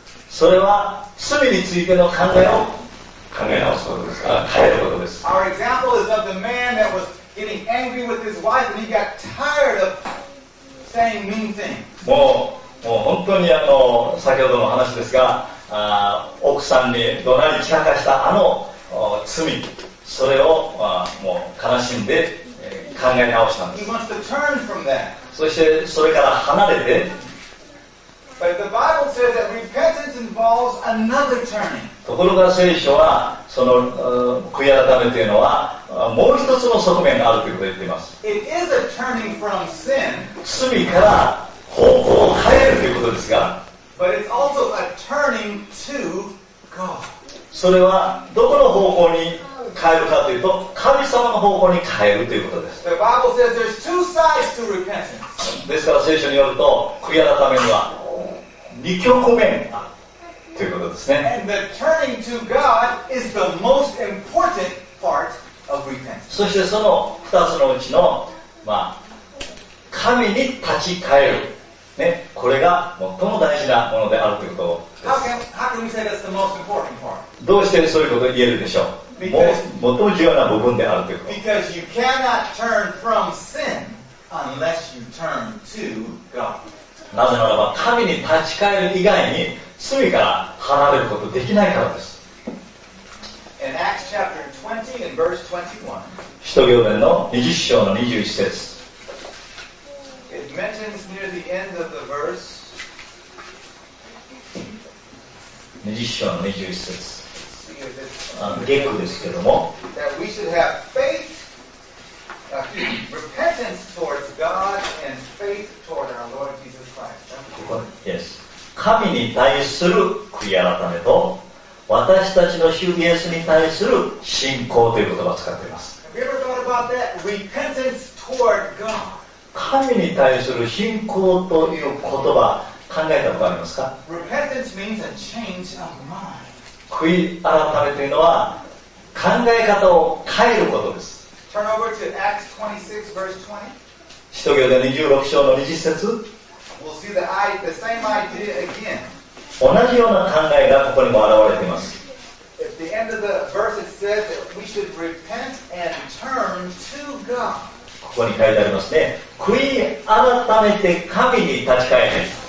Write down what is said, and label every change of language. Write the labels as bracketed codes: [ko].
[ja] それは罪についての考えを考え直すことです。変えることです。 [en] Our example is of the man that was getting angry with his wife and he got tired of saying mean things. [ja] もう本当に先ほどの話ですが、奥さんに怒鳴り散らかした罪、それを、もう悲しんで、考え直したんです。 [en] He wants to turn from that. [ja] そしてそれから離れて。 [en] But the Bible says that repentance involves another turning. [ja] ところが聖書はその悔い改めというのはもう一つの側面があるということを言っています。 [en] It is a turning from sin. [ja] 罪から方向を変えるということですが。 [en] But it's also a turning to God. [ja] それはどこの方向に変えるかというと神様の方向に変えるということです。 [en] The Bible says there's two sides to repentance. [ja] ですから聖書によると悔い改めには二極面ということですね。 [en] And the turning to God is the most important part of repentance. [ja] そしてその二つのうちの、神に立ち返る、ね、これが最も大事なものであるということです。 [en] How can we say that's the most important part? [ja] どうしてそういうことを言えるでしょう。最も重要な部分であるということ。 [en] Because you cannot turn from sin unless you turn to God. [ja] なぜならば神に立ち返る以外に罪から離れることできないからです。 [en] In Acts chapter 20 and verse 21, [ja] 使徒行伝の20章の21節。 [en] It mentions near the end of the verse, [ja] 20章の21節。結構ですけども。 [en] That we should have faith, repentance towards God and faith toward our Lord Jesus. [ja] ここね、 [en] Yes. [ja] 神に対する悔い改めと私たちの主イエスに対する信仰という言葉を使っています。 [en] Have you ever thought about about that? Repentance toward God. [ja] 神に対する信仰という言葉、考えたことありますか？ [en] Repentance means a change of mind. [ja] 悔い改めというのは、考え方を変えることです。 [en] Turn over to Acts 26, verse 20. [ja] 使徒行伝26章の20節。 [en] We'll see the same idea again. [ja] 同じような考えがここにも現れています。 [en] At the end of the verse it says that we should repent and turn to God. [ja] ここに書いてありますね。悔い改めて神に立ち返れ。